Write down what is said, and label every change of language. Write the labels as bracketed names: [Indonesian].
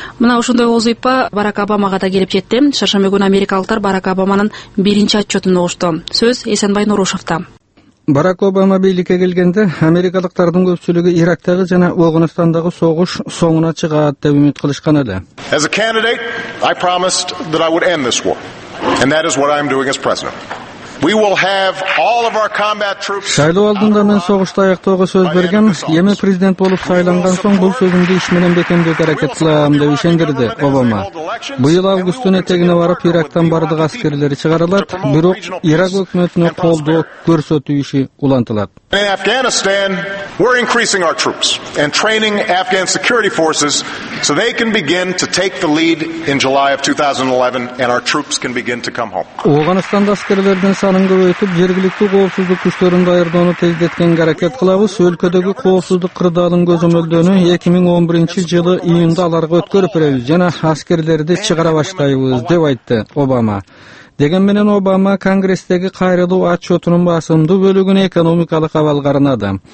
[Kyrgyz] Мына ошондой вазыйпа Барак Обамага да келип жетти. Шаршамбы күнү америкалыктар Барак Обаманын биринчи отчетун угушту. Сөз Эсенбай Нурушевда. Барак Обама бийликке келгенде америкалыктардын көпчүлүгү Ирактагы жана Ооганстандагы согуш соңуна чыгат деп үмүт кылышкан эле. [English] As a candidate, I promised that I would end this war. And that is what I am doing as president. We will have all of our combat troops. [Kyrgyz] Шайлоо алдында мен согушту аяктоого сөз бергем. Эми президент болуп шайланган соң бул сөзүмдү иш менен бекемдөө аракет кылам деп ишендирди Обама. Быйыл августтун этегине барып Ирактан бардык аскерлери чыгарылат, бирок Ирак өкмөтүнө колдоо көрсөтүү иши улантылат. [English] In Afghanistan, we're increasing our troops and training Afghan security forces so they can begin to take the lead in July of 2011 and our troops can begin to come home. [Kyrgyz] Ооганстанда аскерлердин санын көбөйтүп, жергиликтүү коопсуздук күчтөрүн даярдоону тездеткенге аракет кылабыз. Өлкөдөгү коопсуздук кырдаалын көзөмөлдөөнү 2011 жылы июнда аларга өткөрүп беребиз жана аскерлерди чыгара баштайбыз деп айтты Обама. Деген менен Обама Конгресстеги кайрылуу отчетунун басымдуу бөлүгүн экономикалык абалга арнады.